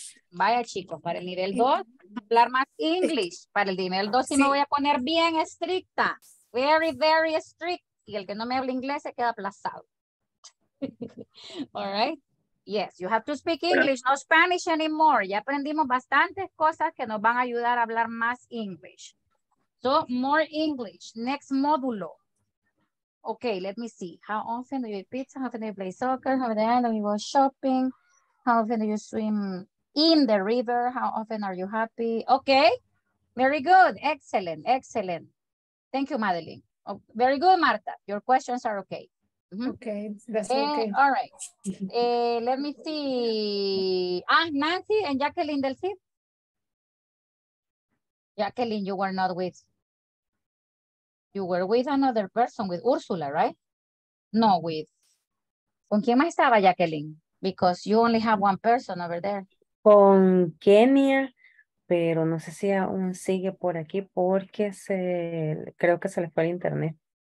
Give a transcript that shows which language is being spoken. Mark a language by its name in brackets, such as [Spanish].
[Spanish] Vaya chicos, para el nivel 2, hablar más English. Para el nivel 2 sí me voy a poner bien estricta. [English] Very, very strict. [Spanish] Y el que no me hable inglés se queda aplazado. [English] All right. Yes, you have to speak English, no Spanish anymore. [Spanish] Ya aprendimos bastantes cosas que nos van a ayudar a hablar más English. [English] So, more English. Next módulo. Okay, let me see. How often do you eat pizza? How often do you play soccer? How often do you go shopping? How often do you swim in the river? How often are you happy? Okay, very good. Excellent, excellent. Thank you, Madeline. Oh, very good, Marta. Your questions are okay. Mm-hmm. Okay, that's okay. All right. Let me see. Ah, Nancy and Jacqueline Del Cid. Jacqueline, you were with another person, with Ursula, right? No, with. [Spanish] ¿Con quién más estaba Jacqueline? [English] Because you only have one person over there. [Spanish] Con Kenia, pero no sé si aún sigue por aquí porque creo que se le fue el internet.